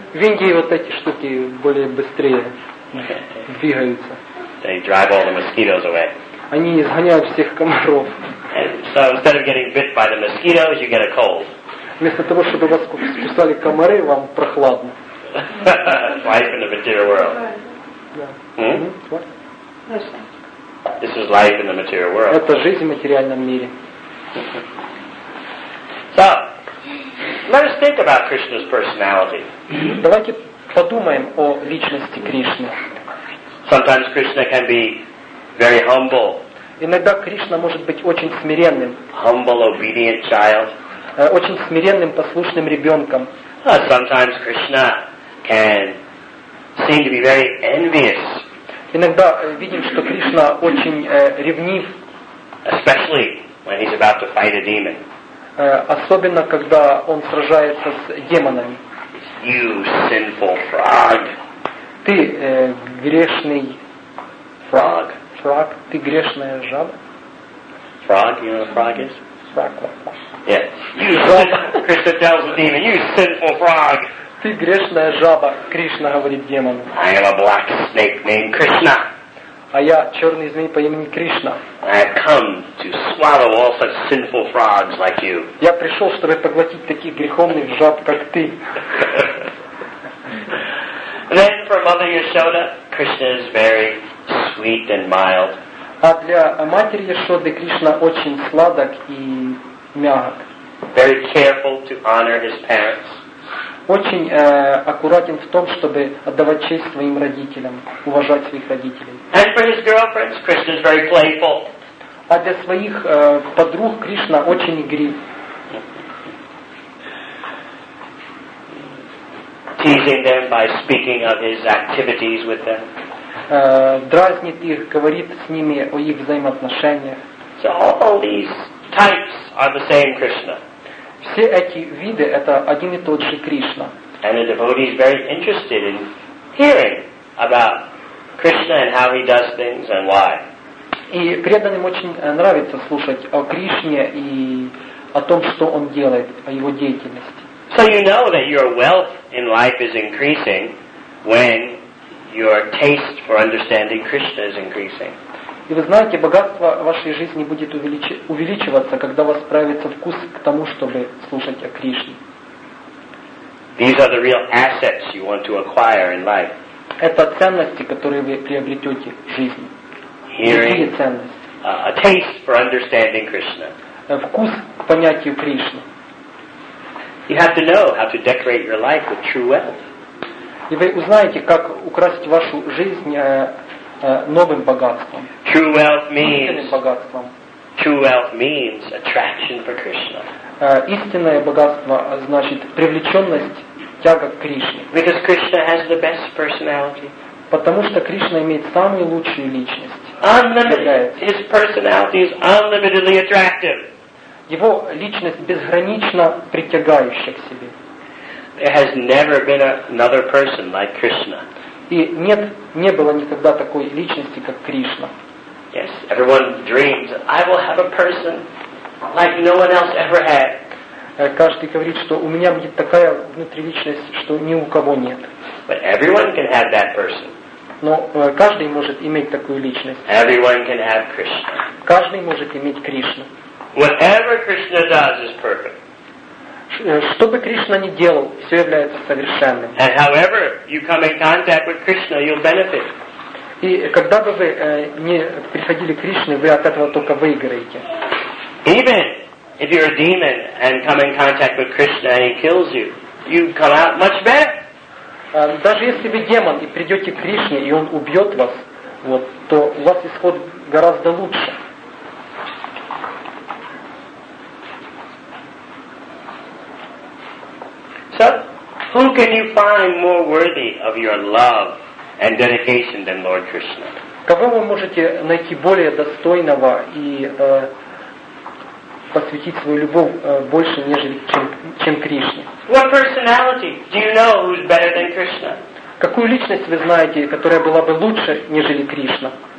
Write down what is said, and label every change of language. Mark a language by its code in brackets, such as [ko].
[ru] В Индии вот эти штуки более быстрее двигаются. [en] They drive all the mosquitoes away. [ru] Они изгоняют всех комаров. [en] So instead of getting bit by the mosquitoes, you get a cold. [ru] Вместо того, чтобы вас кусали комары, вам прохладно. [en] Life in the material world. What? This is life in the material world. [ru] Это жизнь в материальном мире. [en] So, let us think about Krishna's personality. [ru] Давайте подумаем о личности Кришны. [en] Sometimes Krishna can be very humble. [ru] Иногда Кришна может быть очень смиренным. [en] Humble, obedient child. [ru] Очень смиренным, послушным ребенком. [en] Sometimes Krishna can seem to be very envious. [ru] Иногда видим, что Кришна очень ревнив. [en] Especially when he's about to fight a demon. [ru] Особенно когда он сражается с демонами. [en] You sinful frog. [ru] Ты грешный [en] frog. Frog. [ru] Ты грешная жаба. [en] Frog. You know what a frog is? Frog. Yeah. You frog. Krishna tells the demon, "You sinful frog." [ru] Ты грешная жаба, Кришна говорит демону. [en] I am a black snake named Krishna. [ru] А я черный змей по имени Кришна. [en] I have come to swallow all such sinful frogs like you. [ru] Я пришел, чтобы поглотить таких греховных жаб, как ты. [en] Then for Mother Yashoda, Krishna is very sweet and mild. [ru] А для матери Яшоды Кришна очень сладок и мягок. [en] Very careful to honor his parents. [ru] Очень аккуратен в том, чтобы отдавать честь своим родителям, уважать своих родителей. [en] And for his girlfriends, Krishna is very playful. [ru] А для своих подруг Кришна очень игрив. [en] Teasing them by speaking of his activities with them. [ru] Дразнит их, говорит с ними о их взаимоотношениях. [en] So all these types are the same Krishna. [ru] Все эти виды — это один и тот же Кришна. [en] And the devotee is very interested in hearing about Krishna and how he does things and why. [ru] И преданным очень нравится слушать о Кришне и о том, что он делает, о его деятельности. [en] So you know that your wealth in life is increasing when your taste for understanding Krishna is increasing. [ru] И вы знаете, богатство вашей жизни будет увеличиваться, когда у вас проявится вкус к тому, чтобы слушать о Кришне. [en] These are the real assets you want to acquire in life. [ru] Это ценности, которые вы приобретете в жизни. [en] Hearing, a taste for understanding Krishna. [ru] Вкус к понятию Кришны. [en] You have to know how to decorate your life with true wealth. [ru] И вы узнаете, как украсить вашу жизнь новым богатством. [en] True wealth means [ru] богатством. [en] True wealth means attraction for Krishna. [ru] Истинное богатство значит привлеченность, тяга к Кришне. [en] Because Krishna has the best personality. [ru] Потому что Кришна имеет самую лучшую личность. [en] Unlimited. His personality is unlimitedly attractive. [ru] Его личность безгранично притягающая к себе. [en] There has never been another person like Krishna. [ru] И нет, не было никогда такой личности, как Кришна. [en] Yes, everyone dreams, I will have a person like no one else ever had. [ru] Каждый говорит, что у меня будет такая внутриличность, что ни у кого нет. [en] But everyone can have that person. [ru] Но каждый может иметь такую личность. [en] Everyone can have Krishna. [ru] Каждый может иметь Кришну. [en] Whatever Krishna does is perfect. [ru] Что бы Кришна ни делал, все является совершенным. [en] And however you come in contact with Krishna, you'll benefit. [ru] И когда бы вы не приходили к Кришне, вы от этого только выиграете. [en] Even if you're a demon and come in contact with Krishna and he kills you, you come out much better. [ru] Даже если вы демон и придете к Кришне и он убьет вас, вот, то у вас исход гораздо лучше. [en] So, who can you find more worthy of your love and dedication than Lord Krishna? [ru] Кого вы можете найти более достойного и посвятить свою любовь больше, нежели чем Кришне? [en] What personality do you know who's better than Krishna? [ru] Какую личность вы знаете, которая была бы лучше, нежели Кришна?